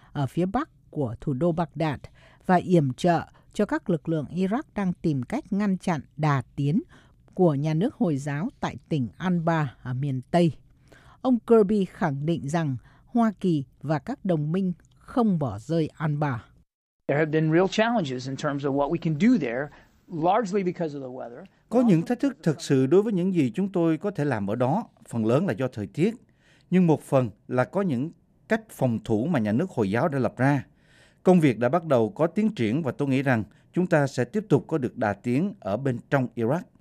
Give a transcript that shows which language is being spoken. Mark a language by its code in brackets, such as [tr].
[vi] ở phía bắc của thủ đô Baghdad và yểm trợ cho các lực lượng Iraq đang tìm cách ngăn chặn đà tiến của nhà nước Hồi giáo tại tỉnh Anbar ở miền Tây. Ông Kirby khẳng định rằng Hoa Kỳ và các đồng minh không bỏ rơi Anbar. [en] There have been real challenges in terms of what we can do there, largely because of the weather. [vi] Có những thách thức thực sự đối với những gì chúng tôi có thể làm ở đó, phần lớn là do thời tiết, nhưng một phần là có những cách phòng thủ mà nhà nước Hồi giáo đã lập ra. Công việc đã bắt đầu có tiến triển và tôi nghĩ rằng chúng ta sẽ tiếp tục có được đà tiến ở bên trong Iraq.